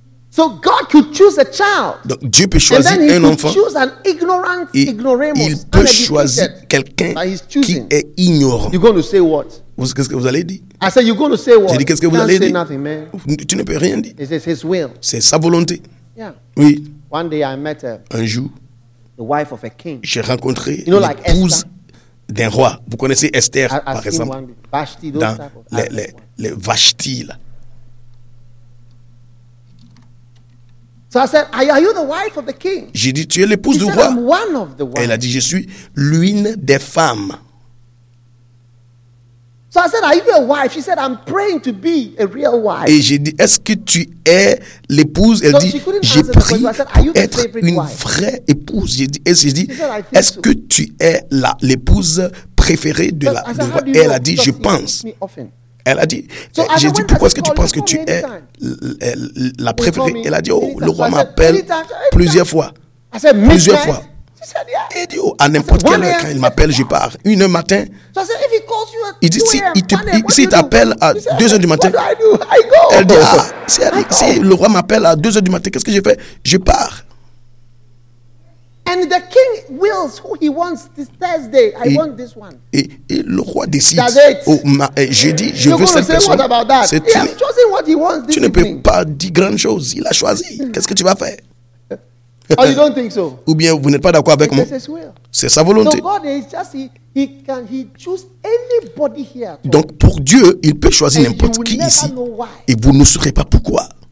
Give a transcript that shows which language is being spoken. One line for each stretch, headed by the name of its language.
English: So God could choose a child.
French: Donc Dieu peut choisir un enfant.
English: Choose an ignorant,
French: et
English: ignoramus,
French: il peut choisir quelqu'un qui est ignorant.
English: You're going to say what?
French: Qu'est-ce que vous allez dire?
English: I said you're going to say what?
French: J'ai dit qu'est-ce que vous allez dire?
English: Nothing, man.
French: Tu ne peux rien dire.
English: It's his will.
French: C'est sa volonté.
English: Yeah.
French: Oui.
English: One day I met
French: un jour,
English: the wife of a king.
French: J'ai rencontré l'épouse d'un roi. Vous connaissez Esther, par exemple, Vashti, dans les Vashti. Là.
English: So I said, are you the wife of the king?
French: J'ai dit, tu es l'épouse du roi. Elle a dit, je suis l'une des femmes.
English: So I said, are you the wife? She said, I'm praying to be a real wife.
French: Et j'ai dit, est-ce que tu es l'épouse? Elle
English: so
French: dit, j'ai prié pour être une vraie épouse. J'ai dit, est-ce que tu es l'épouse préférée de la roi? Elle, elle a dit, je pense. Elle a dit, j'ai dit, pourquoi est-ce que tu penses que tu es la préférée? Elle a dit, oh, le roi m'appelle plusieurs fois.
English: I said,
French: plusieurs fois. Et Dieu, à n'importe quelle heure, quand il m'appelle, je pars. Une heure matin, il dit, si il t'appelle à 2h du matin, elle dit, ah, si le roi m'appelle à 2h du matin, qu'est-ce que je fais? Je pars.
English: And the king wills who he wants this Thursday. I want this one.
French: Et le roi décide. Jeudi, je veux cette personne. C'est tu. Tu ne peux pas dire grand chose. Il a choisi. Qu'est-ce que tu vas faire?
English: Oh, you don't think so?
French: Ou bien vous n'êtes pas d'accord avec moi? C'est sa volonté.
English: So God is just he choose anybody here.
French: Donc pour Dieu, il peut choisir n'importe qui ici. Et vous ne saurez pas pourquoi.